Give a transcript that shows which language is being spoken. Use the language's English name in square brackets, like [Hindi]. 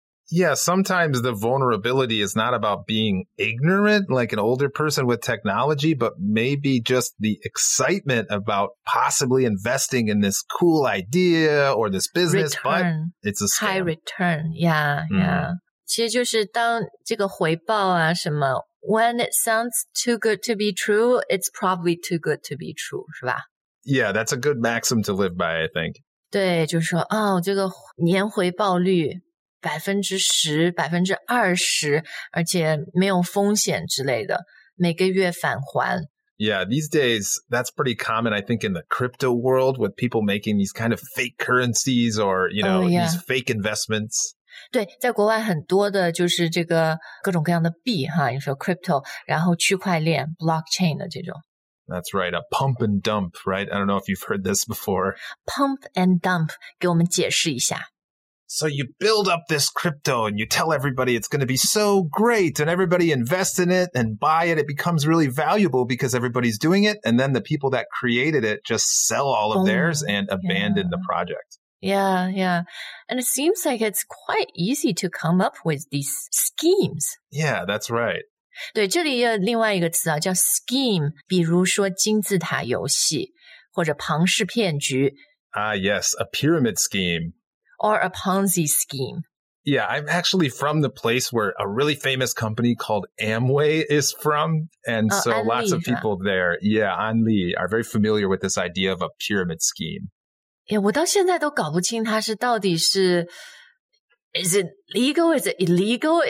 [English] Yeah, sometimes the vulnerability is not about being ignorant, like an older person with technology, but maybe just the excitement about possibly investing in this cool idea or this business, return, but it's a scam. High return, yeah, yeah. [Chinese] 其实就是当这个回报啊什么 [English] When it sounds too good to be true, it's probably too good to be true, [Chinese] 是吧? [English] Yeah, that's a good maxim to live by, I think. [Chinese] 对,就是说,哦,这个年回报率 10%, 20%, 而且没有风险之类的,每个月返还。 [English] Yeah, these days, that's pretty common, I think, in the crypto world with people making these kind of fake currencies or, you know, these fake investments. [Chinese] 对，在国外很多的就是这个各种各样的币哈，你说 crypto， 然后区块链 blockchain 的这种。 [English] That's right, a pump and dump, right? I don't know if you've heard this before. [Chinese] Pump and dump， 给我们解释一下。 [English] So you build up this crypto and you tell everybody it's going to be so great and everybody invests in it and buy it. It becomes really valuable because everybody's doing it. And then the people that created it just sell all of theirs and abandon the project. Yeah, yeah. And it seems like it's quite easy to come up with these schemes. Yeah, that's right. [Chinese] 对，这里有另外一个词啊，叫 scheme, 比如说金字塔游戏或者庞氏骗局。 [English] Ah, yes, a pyramid scheme. Or a Ponzi scheme. Yeah, I'm actually from the place where a really famous company called Amway is from. And so lots of people there, yeah, An Li, are very familiar with this idea of a pyramid scheme. Yeah, [Chinese] 我到现在都搞不清它是到底是 [English] Is it legal? Is it illegal?